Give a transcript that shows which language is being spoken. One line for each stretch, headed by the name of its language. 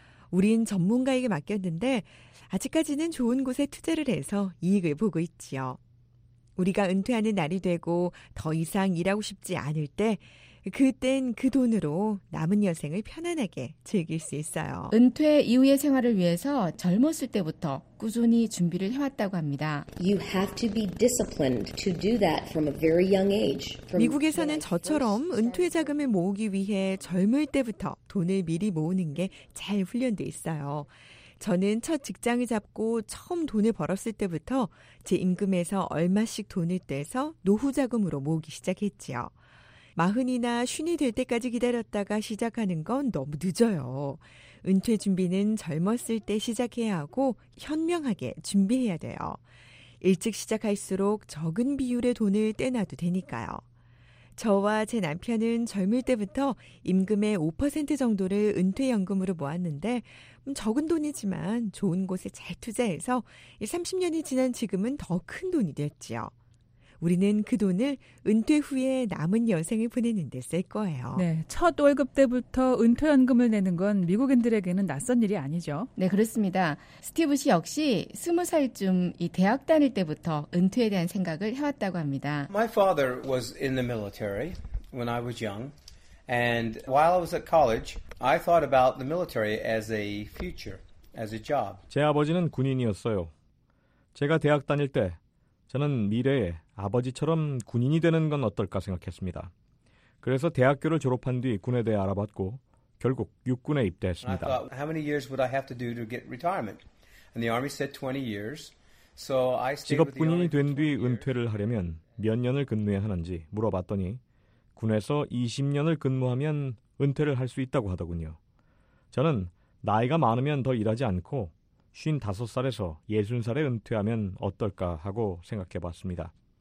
Korean: 우린 전문가에게 맡겼는데 아직까지는 좋은 곳에 투자를 해서 이익을 보고 있지요. 우리가 은퇴하는 날이 되고 더 이상 일하고 싶지 않을 때 그땐 그 돈으로 남은 여생을 편안하게 즐길 수 있어요. 은퇴 이후의 생활을 위해서 젊었을 때부터 꾸준히 준비를 해왔다고 합니다.
English: You have to be disciplined to do that from a very young age.
Korean: 미국에서는 저처럼 은퇴 자금을 모으기 위해 젊을 때부터 돈을 미리 모으는 게 잘 훈련돼 있어요. 저는 첫 직장을 잡고 처음 돈을 벌었을 때부터 제 임금에서 얼마씩 돈을 떼서 노후자금으로 모으기 시작했지요. 마흔이나 쉰이 될 때까지 기다렸다가 시작하는 건 너무 늦어요. 은퇴 준비는 젊었을 때 시작해야 하고 현명하게 준비해야 돼요. 일찍 시작할수록 적은 비율의 돈을 떼놔도 되니까요. 저와 제 남편은 젊을 때부터 임금의 5% 정도를 은퇴연금으로 모았는데 적은 돈이지만 좋은 곳에 잘 투자해서 30년이 지난 지금은 더 큰 돈이 됐지요. 우리는 그 돈을 은퇴 후에 남은 여생을 보내는 데 쓸 거예요. 네, 첫 월급 때부터 은퇴연금을 내는 건 미국인들에게는 낯선 일이 아니죠. 네, 그렇습니다. 스티브 씨 역시 20살쯤 이 대학 다닐 때부터 은퇴에 대한 생각을 해왔다고 합니다.
English: My father was in the military when I was young. And while I was at college, I thought about the military as a future, as a job.
Korean: 제 아버지는 군인이었어요. 제가 대학 다닐 때 저는 미래에 아버지처럼 군인이 되는 건 어떨까 생각했습니다. 그래서 대학교를 졸업한 뒤 군에 대해 알아봤고 결국 육군에 입대했습니다.
English: I thought, how many years would I have to do to get retirement? And the army said 20 years. So I stayed with the
Korean: 직업 군인이 된 뒤 은퇴를 하려면 몇 년을 근무해야 하는지 물어봤더니 군에서 20년을 근무하면 은퇴를 할 수 있다고 하더군요. 저는 나이가 많으면 더 일하지 않고 55살에서 60살에 은퇴하면 어떨까 하고 생각해봤습니다.